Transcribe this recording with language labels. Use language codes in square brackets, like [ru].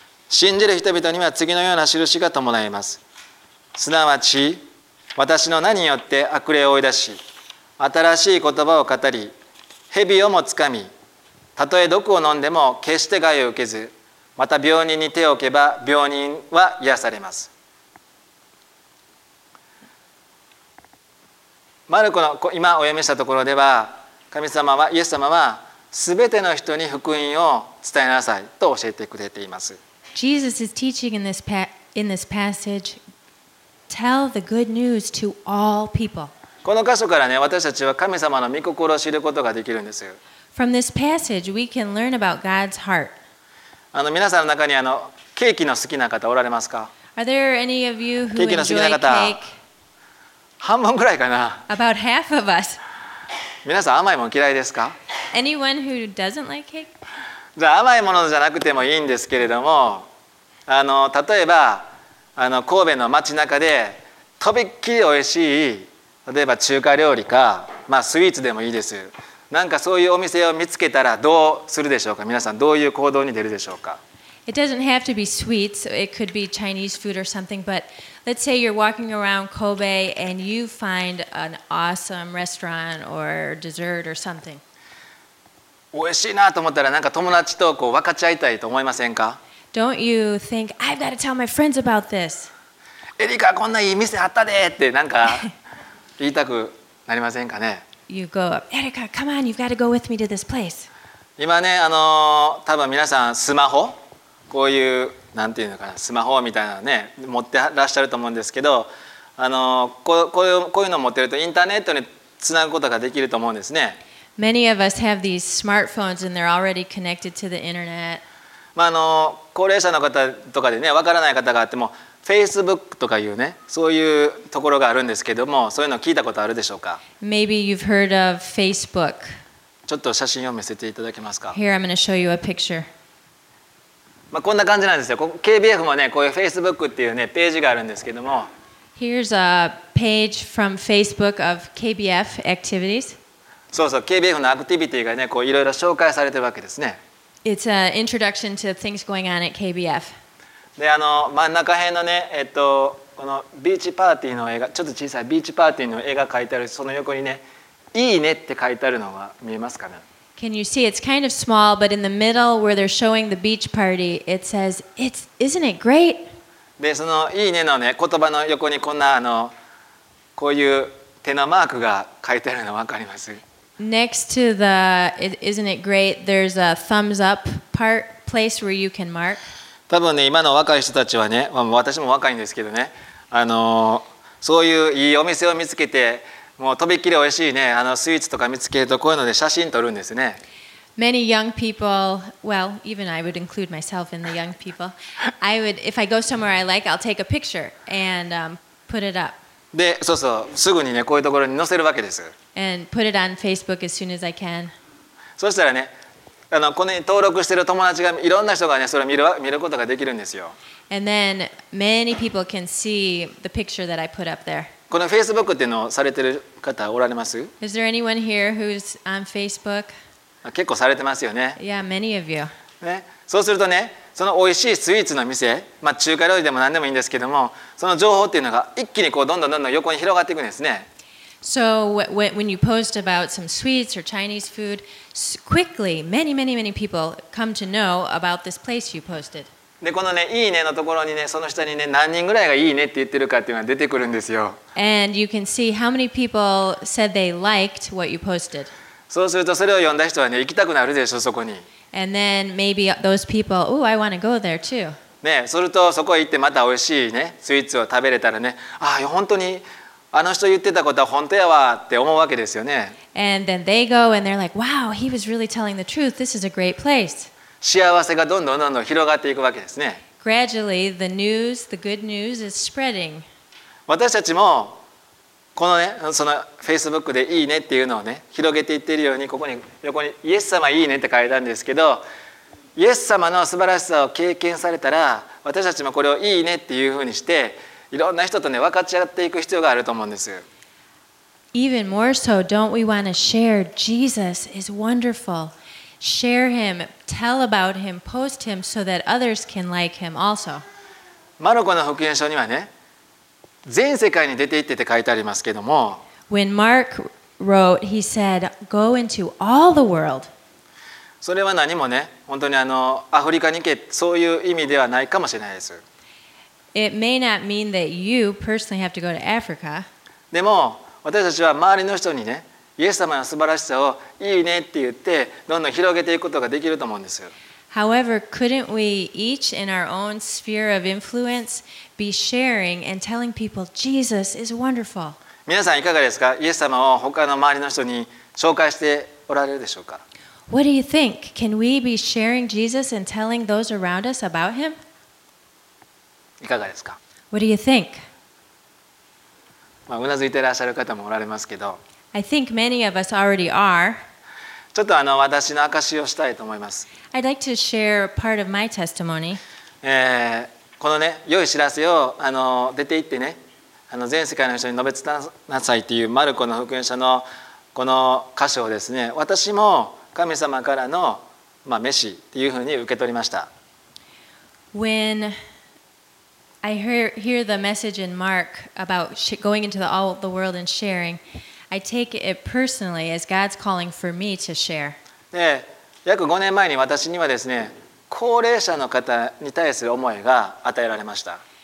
[ja] 信じる人々には次のような印が伴います。すなわち、私の名によって悪霊を追い出し、新しい言葉を語り、蛇をもつかみ、たとえ毒を飲んでも決して害を受けず、また病人に手を置けば病人は癒されます。マルコの今お読みしたところでは、神様はイエス様は全ての人に福音を伝えなさいと教えてくれています。 [en] Jesus is teaching in this passage, tell the good news to all people. [ja] この箇所からね、私たちは神様の御心を知ることができるんですよ。 [en] From this passage, we can learn about God's heart. [ja] 皆さんの中にケーキの好きな方おられますか？ [en] Are there any of you who enjoy cake? [ja] 半分くらいかな。 [en] About half of us. [ja] 皆さん甘いもの嫌いですか？ [en] Anyone who doesn't like cake? [ja] じゃあ甘いものじゃなくてもいいんですけれども、例えば神戸の街中でとびっきりおいしい、例えば中華料理か、まあ、スイーツでもいいです。なんかそういうお店を見つけたらどうするでしょうか？皆さんどういう行動に出るでしょうか？ [en] It doesn't have to be sweet, so it could be Chinese food or something, but let's say you're walking around Kobe and you find an awesome restaurant or dessert or something. [ja] おいしいなと思ったらなんか友達とこう分かち合いたいと思いませんか？ [en] Don't you think, I've got to tell my friends about this. [ja] エリカこんないい店あったでってなんか言いたくなりませんかね？ [en] You go up, Erica, come on, you've got to go with me to this place. [ja] 今ね、多分皆さんスマホ、こういうなんていうのかな、スマホみたいなのね持ってらっしゃると思うんですけど、こういうのを持ってるとインターネットにつなぐことができると思うんですね。 [en] Many of us have these smartphones and they're already connected to the internet. [ja] 高齢者の方とかでね、わからない方があっても、Facebook とかいうね、そういうところがあるんですけども、そういうの聞いたことあるでしょうか [en] ？Maybe you've heard of Facebook. [ja] ちょっと写真を見せていただけますか [en] ？Here I'm going to show you a picture. [ja] まあ、こんな感じなんですよ。 KBF もね、こういう Facebook っていうね、ページがあるんですけども。 [en] Here's a page from Facebook of KBF activities. [ja] そうそう、KBF のアクティビティがね、こういろいろ紹介されてるわけですね。 [en] It's an introduction to things going on at KBF. [ja] で、真ん中辺のね、このビーチパーティーの絵が、ちょっと小さいビーチパーティーの絵が描いてある、その横にね、いいねって書いてあるのが見えますかね？ [en] Can you see? It's kind of small, but in the middle where they're showing the beach party, it says, isn't it great? [ja] で、そのいいねのね、言葉の横にこんなこういう手のマークが書いてあるの分かります。 [en] Next to the isn't it great, there's a thumbs up part, place where you can mark. [ja] 多分ね、今の若い人たちはね、まあ、私も若いんですけどね、そういういいお店を見つけて、もうとびっきり美味しいね、スイーツとか見つけるとこういうので写真撮るんですね。 [en] Many young people, well, even I would include myself in the young people. I would, if I go somewhere I like, I'll take a picture and put it up. [ja] で、そうそう、すぐにね、こういうところに載せるわけです。 [en] And put it on Facebook as soon as I can. [ja] そしたらね、このように登録してる友達がいろんな人がね、それを見ることができるんですよ。 [en] And then many people can see the picture that I put up there. [ja] このフェイスブックっていうのをされてる方おられます？ [en] Is there anyone here who's on Facebook? [ja] 結構されてますよね。 [en] Yeah, many of you. [ja] ね、そうするとね、そのおいしいスイーツの店、まあ、中華料理でも何でもいいんですけども、その情報っていうのが一気にこうどんどんどんどん横に広がっていくんですね。 [en] So when you post about some sweets or Chinese food, quickly many, many, many people come to know about this place you posted. [ja] で、このね、いいねのところにね、その下にね、何人ぐらいがいいねって言ってるかっていうのが出てくるんですよ。 [en] And you can see how many people said they liked what you posted. [ja] そうすると、それを読んだ人はね、行きたくなるでしょ、そこに。 [en] And then maybe those people, oh, I want to go there too. [ja] ね、すると、そこへ行ってまた美味しいね、スイーツを食べれたらね、ああ、本当に、あの人言ってたことは本当やわって思うわけですよね。 [en] And then they go and they're like, wow, he was really telling the truth. This is a great place. [ja] 幸せがどんどんどんどん広がっていくわけですね。 [en] Gradually, the news, the good news is spreading. [ja] 私たちもこのね、その Facebook でいいねっていうのをね、広げていっているように、ここに横にイエス様いいねって書いたんですけど、イエス様の素晴らしさを経験されたら、私たちもこれをいいねっていうふうにして、いろんな人とね、分かち合っていく必要があると思うんです。 [en] Even more so, don't we want to share Jesus is wonderful? Share him, tell about him, post him so that others can like him also. [ja] マルコの福音書にはね、全世界に出て行ってって書いてありますけども。 [en] When Mark wrote, he said, "Go into all the world." [ja] それは何もね、本当にアフリカに行け、そういう意味ではないかもしれないです。 [en] It may not mean that you personally have to go to Africa. [ja] でも私たちは周りの人にね。イエス様の素晴らしさをいいねって言ってどんどん広げていくことができると思うんですよ。 [en] However, couldn't we each in our own sphere of influence be sharing and telling people Jesus is wonderful? [ja] 皆さんいかがですか？イエス様を他の周りの人に紹介しておられるでしょうか？ [en] What do you think? Can we be sharing Jesus and telling those around us about him? [ja] いかがですか？ [en] What do you think? [ja] まあ、うなずいていらっしゃる方もおられますけど、 [en] I think many of us already are. [ja] ちょっとあの私の証しをしたいと思います。 [en] I'd like to share part of my testimony. [ja] このね、良い知らせをあの出て行ってね、あの全世界の人に述べ伝えなさいというマルコの福音書のこの箇所をですね、私も神様からの、まあ、召しというふうに受け取りました。 [en] When I hear the message in Mark about going into all the world and sharing, I take it personally as God's calling for me to share. [ja] で、約5年前に私にはですね、高齢者の方に対する思いが与えられました。